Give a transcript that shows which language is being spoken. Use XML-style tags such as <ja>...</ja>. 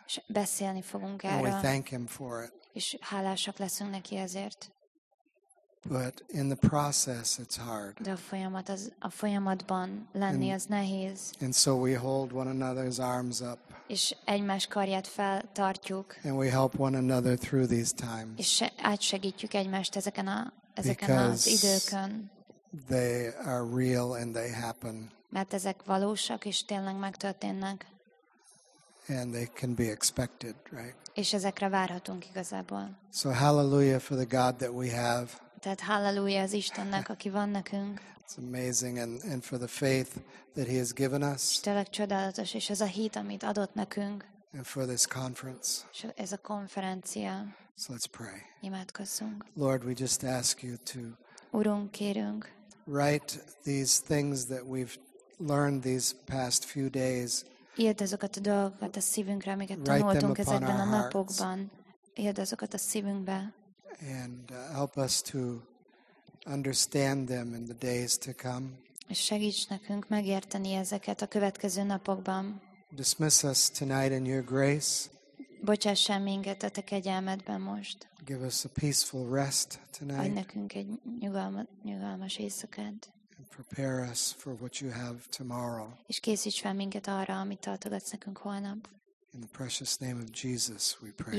<hu>És beszélni fogunk erről.</hu> <en>And we thank him for it.</en> <hu>És hálásak leszünk neki ezért.</hu> <en>But in the process, it's hard.</en> <hu>De a folyamatban lenni az nehéz.</hu> <en>And so we hold one another's arms up.</en> <hu>És egymás karját feltartjuk.</hu> <en>And we help one another through these times.</en> <hu>És átsegítjük egymást ezeken az időkön.</hu> <en>They are real and they happen.</en> <hu>Mert ezek valósak és tényleg megtörténnek.</hu> <en>And they can be expected, right?</en> <hu>És ezekre várhatunk igazából.</hu> <en>So hallelujah for the God that we have.</en> <hu>Tehát hallelujah az Istennek, aki van nekünk.</hu> <en>It's amazing and for the faith that he has given us.</en> <hu>Tényleg csodálatos, és ez a hit, amit adott nekünk.</hu> <en>And for this conference.</en> <hu>És ez a konferencia.</hu> <en>So let's pray.</en> <hu>Imádkozzunk.</hu> <en>Lord, we just ask you to</en> <hu>Urunk, kérünk.</hu> <en>Write these things that we've learned these past few days.</en> <hu>Írd azokat a dolgokat a szívünkre, amiket tanultunk ezekben a napokban. Írd azokat a szívünkbe.</hu> <en>And help us to understand them in the days to come.</en> <hu>És segíts nekünk megérteni ezeket a következő napokban.</hu> <en>Dismiss us tonight in your grace.</en> <hu>Bocsáss el minket a te kegyelmedben most.</hu> <en>Give us a peaceful rest tonight.</en> <hu>Adj nekünk egy nyugalmas éjszakát.</hu> <en>And prepare us for what you have tomorrow.</en> <hu>És készíts fel minket arra, amit tartogatsz nekünk holnap.</hu> <en>In the precious name of Jesus, we pray.</en>